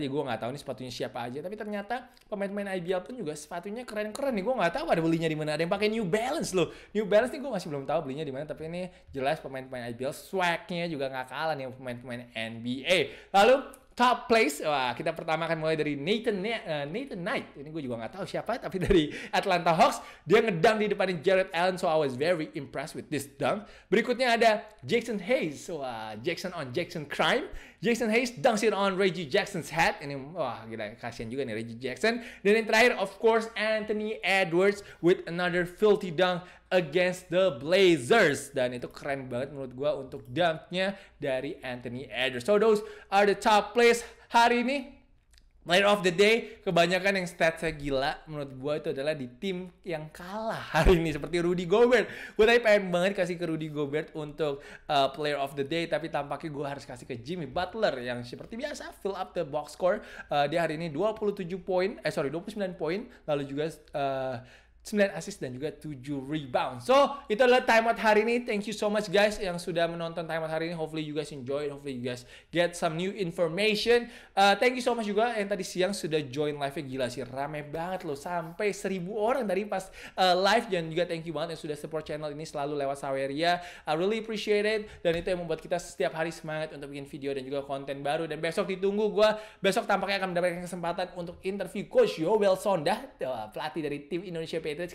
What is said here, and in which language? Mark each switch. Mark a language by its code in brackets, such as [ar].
[id] Ya gue nggak tahu nih sepatunya siapa aja. Tapi ternyata pemain-pemain IBL pun juga sepatunya keren-keren nih. Gue nggak tahu ada belinya di mana. Ada yang pakai New Balance loh. New Balance nih gue masih belum tahu belinya di mana. Tapi ini jelas pemain-pemain IBL swag-nya juga nggak kalah nih pemain-pemain NBA. Lalu top place, wah kita pertama akan mulai dari Nathan Knight. Ini gue juga gak tahu siapa, tapi dari Atlanta Hawks. Dia ngedunk di depan [en] Jared Allen, so I was very impressed with this dunk. [id] Berikutnya ada Jackson Hayes, wah [en] Jackson on Jackson crime. Jackson Hayes dunks it on Reggie Jackson's head. [id] Ini wah gila, kasihan juga nih Reggie Jackson. Dan yang terakhir, [en] of course, Anthony Edwards with another filthy dunk against the Blazers. [id] Dan itu keren banget menurut gue untuk dunknya dari Anthony Edwards. [en] So those are the top plays [id] hari ini. [en] Player of the day, [id] kebanyakan yang statsnya gila menurut gue itu adalah di tim yang kalah hari ini. Seperti Rudy Gobert. Gue tadi pengen banget kasih ke Rudy Gobert untuk [en] player of the day. [id] Tapi tampaknya gue harus kasih ke Jimmy Butler yang seperti biasa [en] fill up the box score. [id] Dia hari ini 29 poin. Lalu juga 9 assist dan juga 7 rebound. So, itu adalah timeout hari ini. [en] Thank you so much guys [id] yang sudah menonton [en] timeout [id] hari ini. [en] Hopefully you guys enjoy it. Hopefully you guys get some new information. Thank you so much [id] juga yang tadi siang sudah join live-nya. Gila sih, rame banget loh. Sampai 1000 orang dari pas live. Dan juga [en] thank you [id] banget yang sudah support channel ini selalu lewat Saweria. [en] I really appreciate it. [id] Dan itu yang membuat kita setiap hari semangat untuk bikin video dan juga konten baru. Dan besok ditunggu gue. Besok tampaknya akan mendapatkan kesempatan untuk interview Coach Yoel Sonda, pelatih dari tim Indonesia Patriots.